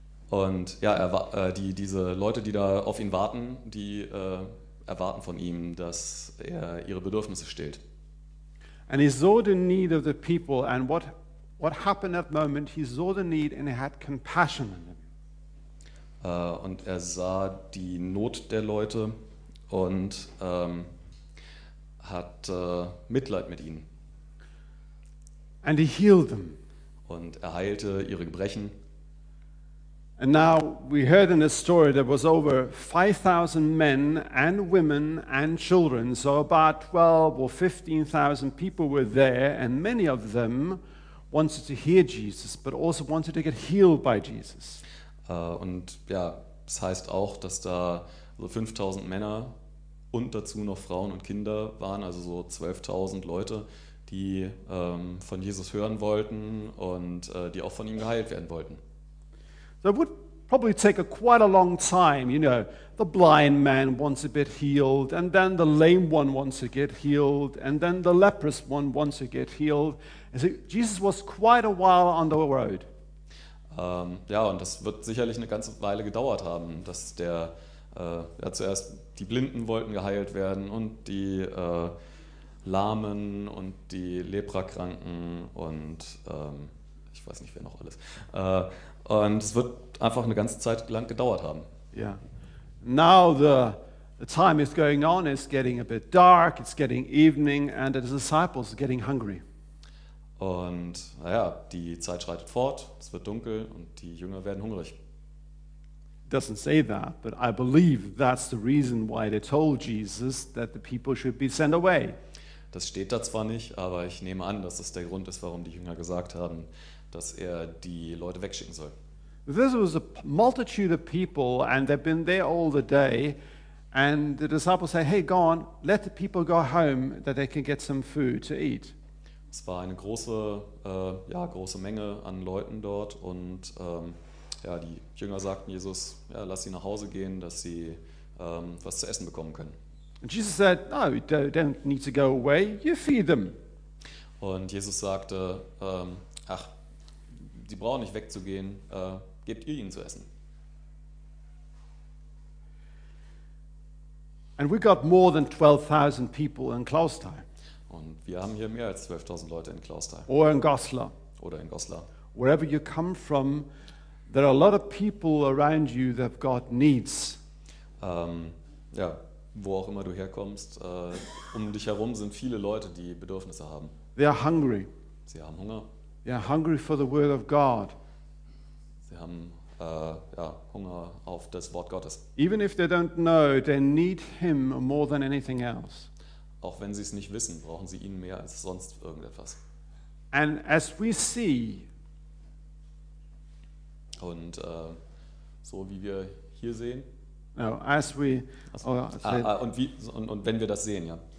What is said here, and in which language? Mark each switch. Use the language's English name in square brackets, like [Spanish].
[German] Und ja, diese Leute, die da auf ihn warten, die erwarten von ihm, dass er ihre Bedürfnisse stillt. [English] And he saw the need of the people and what happened at the moment. He saw the need and he had compassion on them. [German] Und er sah die Not der Leute und hat Mitleid mit ihnen. [English] And he healed them. [German] Und er heilte ihre Gebrechen. [English] And now we heard in this story there was over 5,000 men and women and children, so about 12 or 15,000 people were there, and many of them wanted to hear Jesus, but also wanted to get healed by Jesus. [German] Und ja, das heißt auch, dass da so 5,000 Männer und dazu noch Frauen und Kinder waren, also so 12,000 Leute, die von Jesus hören wollten und die auch von ihm geheilt werden wollten. [English] So it would probably take quite a long time, you know. The blind man wants to get healed, and then the lame one wants to get healed, and then the leprous one wants to get healed. And so Jesus was quite a while on the road. [German] Ja, und das wird sicherlich eine ganze Weile gedauert haben, dass der ja, zuerst die Blinden wollten geheilt werden und die Lahmen und die Leprakranken und ich weiß nicht, wer noch alles. Und es wird einfach eine ganze Zeit lang gedauert haben. [English] Yeah. Now the time is going on, it's getting a bit dark, it's getting evening, and the disciples are getting hungry. [German] Und naja, die Zeit schreitet fort, es wird dunkel und die Jünger werden hungrig. [English] Doesn't say that, but I believe that's the reason why they told Jesus that the people should be sent away. [German] Das steht da zwar nicht, aber ich nehme an, dass das der Grund ist, warum die Jünger gesagt haben, dass er die Leute wegschicken soll. [English] This was a multitude of people and they've been there all the day and the disciples say, hey, go on, let the people go home that they can get some food to eat. [German] Es war eine große, ja, große Menge an Leuten dort und ja, die Jünger sagten Jesus, ja, lass sie nach Hause gehen, dass sie was zu essen bekommen können. [English] And Jesus said, no, you don't need to go away, you feed them. [German] Und Jesus sagte, ach, sie brauchen nicht wegzugehen, gebt ihr ihnen zu essen. [English] And we got more than 12,000 people in Clausthal. [German] Und wir haben hier mehr als 12,000 Leute in Clausthal. [English] Or in Goslar. [German] Oder in Goslar. [English] Wherever you come from, there are a lot of people around you that God needs. [German] Ja, wo auch immer du herkommst, um dich herum sind viele Leute, die Bedürfnisse haben. [English] They are hungry. [German] Sie haben Hunger. [English] Yeah, hungry for the word of God. [German] Sie haben ja, Hunger auf das Wort Gottes. [English] Even if they don't know, they need him more than anything else. [German] Auch wenn sie es nicht wissen, brauchen sie ihn mehr als sonst irgendetwas. [English] And as we see, [German] und so wie wir hier sehen. [English] No, as we [German] und wenn wir das sehen, ja.